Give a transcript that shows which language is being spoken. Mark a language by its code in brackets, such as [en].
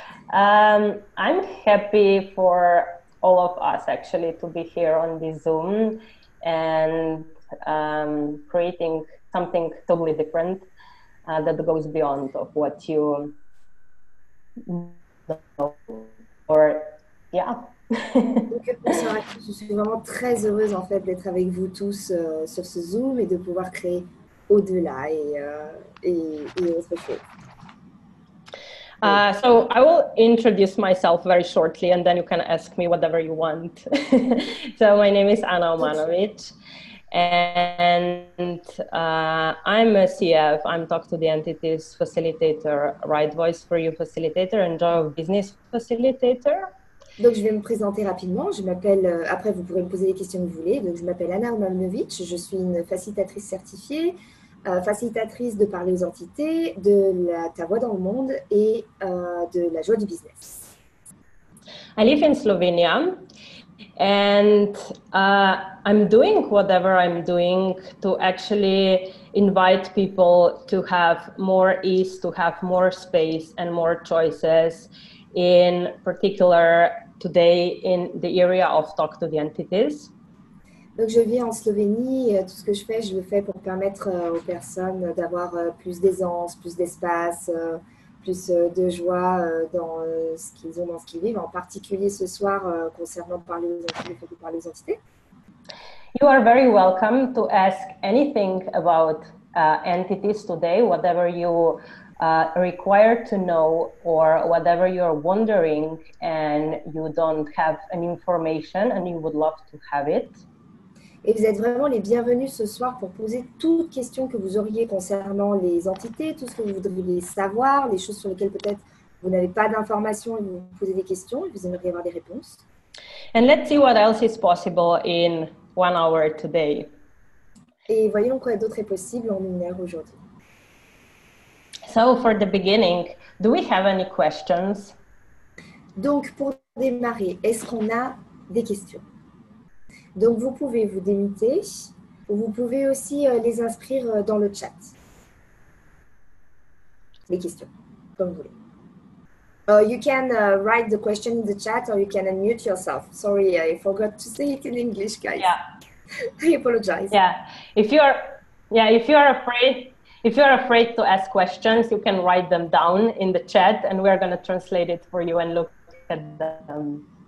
[en] I'm happy for all of us, actually, to be here on this Zoom and creating something totally different that goes beyond of what you know. Or, yeah. [fr] Je suis vraiment très heureuse en fait d'être avec vous tous sur ce Zoom et de pouvoir créer au-delà et autre chose. [en] So I will introduce myself very shortly and then you can ask me whatever you want. So my name is Ana Omanovic and I'm a CF, I'm Talk to the Entities Facilitator, Right Voice for You Facilitator and Joy of Business Facilitator. [fr] Donc, je vais me présenter rapidement. Je m'appelle, après, vous pourrez me poser les questions que vous voulez. Donc, je m'appelle Ana Omanovic. Je suis une facilitatrice certifiée, facilitatrice de parler aux entités, de la, ta voix dans le monde et de la joie du business. [en] I live in Slovenia and I'm doing whatever I'm doing to actually invite people to have more ease, to have more space and more choices. In particular, today in the area of talk to the entities. [fr] Donc je vis en Slovénie. Tout ce que je fais, je le fais pour permettre aux personnes d'avoir plus d'aisance, plus d'espace, plus de joie dans ce qu'ils ont, dans ce qu'ils vivent. En particulier ce soir concernant parler aux entités, le fait de parler aux entités. [en] You are very welcome to ask anything about entities today, whatever you. Required to know or whatever you're wondering and you don't have an information and you would love to have it. [fr] Et vous êtes vraiment les bienvenus ce soir pour poser toutes questions que vous auriez concernant les entités, tout ce que vous voudriez savoir, les choses sur lesquelles peut-être vous n'avez pas d'informations et vous posez des questions et vous aimeriez avoir des réponses. [en] And let's see what else is possible in 1 hour today. [fr] Et voyons quoi d'autre est possible en 1 heure aujourd'hui. [en] So for the beginning, do we have any questions? [fr] Donc pour démarrer, est-ce qu'on a des questions? Donc vous pouvez vous démuter ou vous pouvez aussi les inscrire dans le chat. Les questions, comme vous voulez. [en] You can write the question in the chat or you can unmute yourself. Sorry, I forgot to say it in English, guys. Yeah. I apologize. Yeah. If you're afraid to ask questions, you can write them down in the chat and we're going to translate it for you and look at them.